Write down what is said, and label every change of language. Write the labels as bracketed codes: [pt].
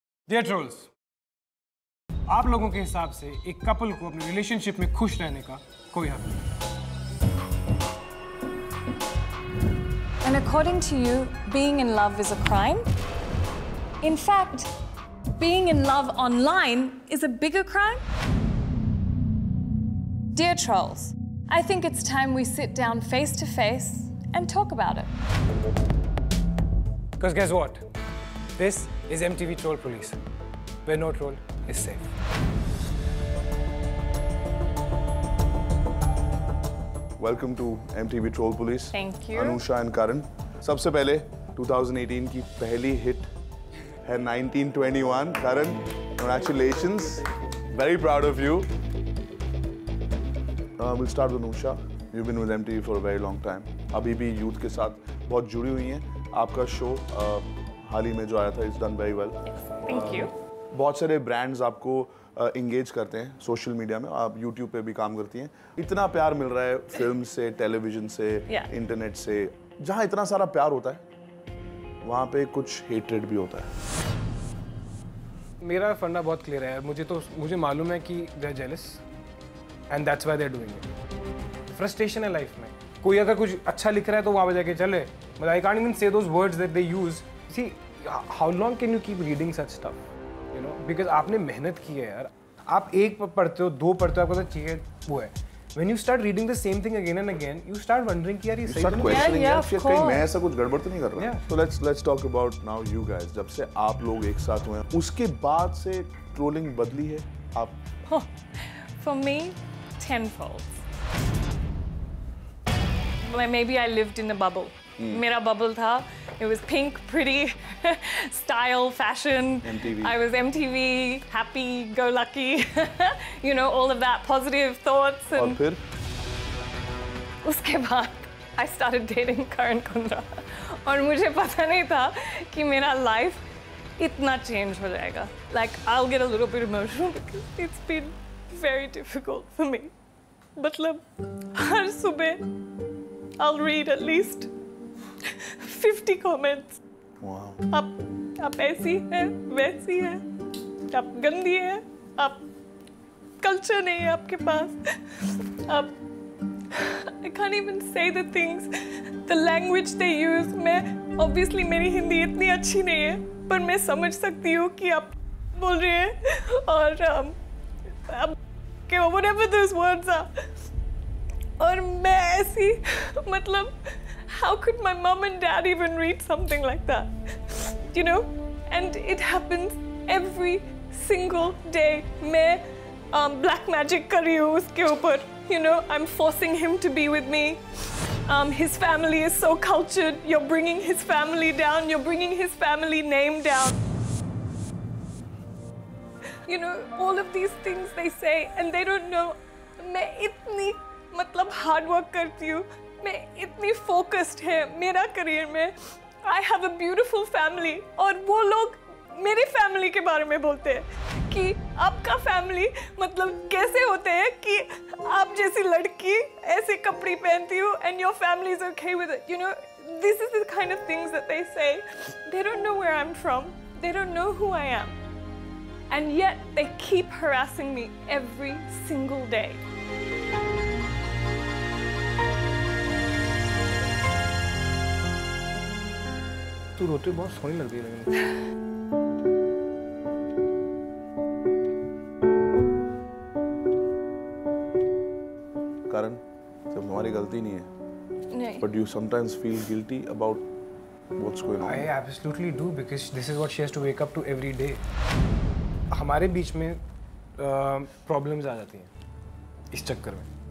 [en] Dear trolls, [hi] आप लोगों के हिसाब से एक कपल को अपने रिलेशनशिप में खुश रहने का कोई हक नहीं। [en] And according to you, being in love is a crime. In fact, being in love online is a bigger crime. Dear trolls, I think it's time we sit down face to face and talk about it. Because guess what? This is MTV Troll Police, where no troll is safe. Welcome to MTV Troll Police. Thank you. [hi] Anusha and Karan. सबसे पहले 2018 की पहली hit है 1921. [en] Karan, congratulations. Very proud of you. We'll start with Anusha. You've been with MTV for a very long time. [hi] अभी भी youth के साथ बहुत जुड़ी हुई हैं. आपका शो हाल ही में जो आया था, [en] it's done very well. Thank you. [hi] बहुत सारे ब्रांड्स आपको इंगेज करते हैं सोशल मीडिया में, आप यूट्यूब पे भी काम करती हैं. इतना प्यार मिल रहा है फिल्म से, टेलीविजन से, इंटरनेट से. जहाँ इतना सारा प्यार होता है वहाँ पे कुछ हेट्रेड भी होता है. मेरा फंडा बहुत क्लियर है यार. मुझे मालूम है कि [en] They jealous and that's why they are doing it. [hi] Frustration है लाइफ में. कोई अगर कुछ अच्छा लिख रहा है तो वहाँ पे जाके चले, [en] But I can't even say those words that they use. See, how long can you keep reading such stuff, you know, because [hi] आपने मेहनत की है यार. आप एक पढ़ते हो, दो पढ़ते हो, आपको चाहिए वो है. [en] When you start reading the same thing again and again, you start wondering, [hi] यार ये सही है? [en] Yeah, of course. [hi] कहीं मैं ऐसा कुछ गड़बड़ तो नहीं कर रहा? [en] So let's talk about now you guys. [hi] जब से आप लोग एक साथ हुए हैं, उसके बाद से trolling बदली है आप? [en] For me, tenfold. Maybe I lived in a bubble. [hi] मेरा bubble था. [en] It was pink, pretty, style, fashion. MTV. I was MTV, happy, go lucky. You know, all of that positive thoughts. And फिर? [hi] उसके बाद, [en] I started dating Karan Kundra. [hi] और मुझे पता नहीं था कि मेरा life इतना change हो जाएगा. [en] Like, I'll get a little bit emotional because it's been very difficult for me. [hi] मतलब, हर सुबह, [en] I'll read at least 50 comments. Wow. [hi] आप ऐसी हैं, वैसी हैं, आप गंदी हैं, आप कल्चर नहीं है आपके पास, आप [en] I can't even say the things, the language they use. [hi] मैं obviously मेरी हिंदी इतनी अच्छी नहीं है, पर मैं समझ सकती हूँ कि आप बोल रहे हैं. [en] और whatever those words are. [hi] और मैं ऐसी, मतलब [en] how could my mom and dad even read something like that? You know? And it happens every single day. [hi] Main black magic kar rahi hu uske upar. [en] You know, I'm forcing him to be with me. His family is so cultured. You're bringing his family down. You're bringing his family name down. You know, all of these things they say and they don't know. [hi] Main itni, matlab, hard work karti hu. मैं इतनी focused है मेरा career में. [en] I have a beautiful family. [hi] और वो लोग मेरी family के बारे में बोलते हैं कि आपका फैमिली मतलब कैसे होते हैं कि आप जैसी लड़की ऐसे कपड़े पहनती हो [en] And your family is okay with it. You know, this is the kind of things that they say. They don't know where I am from, they don't know who I am, and yet they keep harassing me every single day. [hi] तू रोते बहुत सोनी लग रही है. करण, सब हमारी गलती नहीं है. नहीं. [en] But you sometimes feel guilty about what's going on. I absolutely do because this is what she has to wake up to every day. [hi] हमारे बीच में problems आ जाती हैं इस चक्कर में.